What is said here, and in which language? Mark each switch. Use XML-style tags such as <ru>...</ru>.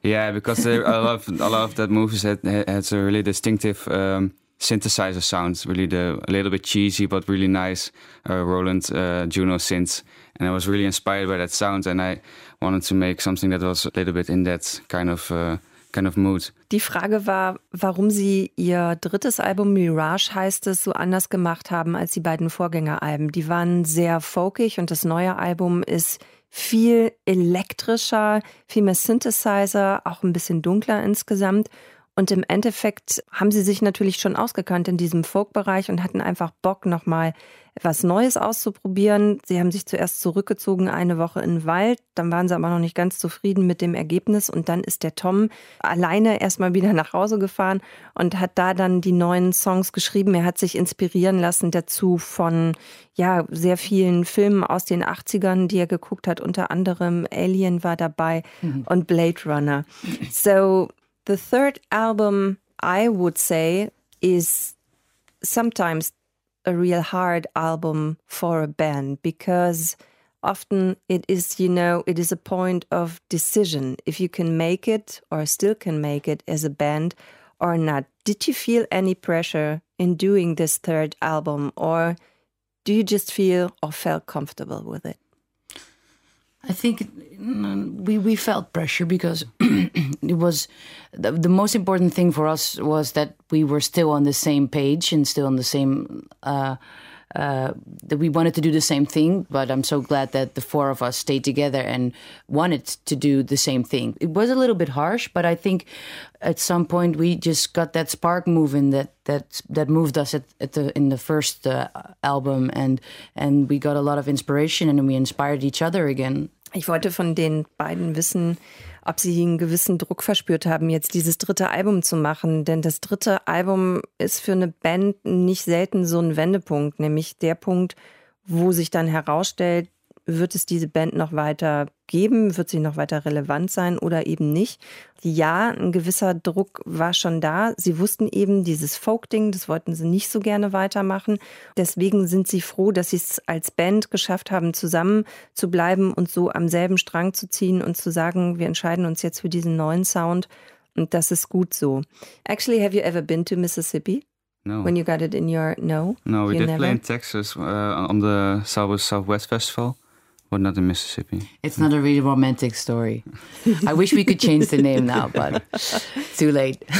<en>Yeah, because a lot of that movies has a really distinctive synthesizer sounds, really a little bit cheesy but really nice Roland Juno synths, and I was really inspired by that sound and I wanted to make something that was a little bit in that kind of mood.</en> <de>Die Frage war, warum sie ihr drittes Album Mirage heißt es so anders gemacht haben als die beiden Vorgängeralben. Die waren sehr folkig und das neue Album ist viel elektrischer, viel mehr Synthesizer, auch ein bisschen dunkler insgesamt. Und im Endeffekt haben sie sich natürlich schon ausgekannt in diesem Folk-Bereich und hatten einfach Bock, nochmal was Neues auszuprobieren. Sie haben sich zuerst zurückgezogen, eine Woche in den Wald. Dann waren sie aber noch nicht ganz zufrieden mit dem Ergebnis. Und dann ist der Tom alleine erstmal wieder nach Hause gefahren und hat da dann die neuen Songs geschrieben. Er hat sich inspirieren lassen dazu von ja sehr vielen Filmen aus den 80ern, die er geguckt hat. Unter anderem Alien war dabei und Blade Runner.</de> <en>So, the third album, I would say, is sometimes a real hard album for a band because often it is, you know, it is a point of decision if you can make it or still can make it as a band or not. Did you feel any pressure in doing this third album or do you just feel or felt comfortable with it? I think we felt pressure because it was the most important thing for us was that we were still on the same page and still on the same that we wanted to do the same thing. But I'm so glad that the four of us stayed together and wanted to do the same thing. It was a little bit harsh, but I think at some point we just got that spark moving that moved us in the first album and we got a lot of inspiration and we inspired each other again.</en> <de>Ich wollte von den beiden wissen, ob sie einen gewissen Druck verspürt haben, jetzt dieses dritte Album zu machen. Denn das dritte Album ist für eine Band nicht selten so ein Wendepunkt, nämlich der Punkt, wo sich dann herausstellt, wird es diese Band noch weiter geben, wird sie noch weiter relevant sein oder eben nicht. Ja, ein gewisser Druck war schon da. Sie wussten eben, dieses Folk-Ding, das wollten sie nicht so gerne weitermachen. Deswegen sind sie froh, dass sie es als Band geschafft haben, zusammen zu bleiben und so am selben Strang zu ziehen und zu sagen, wir entscheiden uns jetzt für diesen neuen Sound und das ist gut so.</de> <en>Actually, have you ever been to Mississippi? No. When you got it in your... No? No, we did play in Texas on the Southwest Festival. But not in Mississippi. It's not a really romantic story. I wish we could change the name now, but too late.</en>